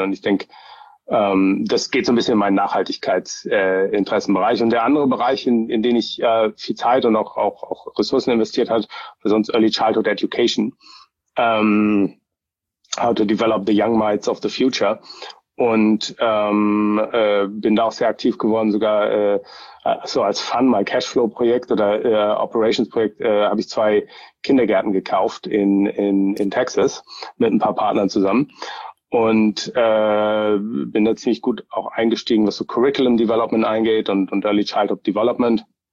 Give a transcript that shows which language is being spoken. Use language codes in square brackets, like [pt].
[de] Und ich denke, das geht so ein bisschen in meinen Nachhaltigkeitsinteressenbereich. Und der andere Bereich, in den ich viel Zeit und auch Ressourcen investiert hat, war sonst Early Childhood Education. [en] How to develop the young minds of the future. [de] Und bin da auch sehr aktiv geworden, sogar so als Fun, mal Cashflow-Projekt oder Operations-Projekt, habe ich 2 Kindergärten gekauft in Texas mit ein paar Partnern zusammen. Und bin da ziemlich gut auch eingestiegen, was so Curriculum Development eingeht und Early Childhood Development.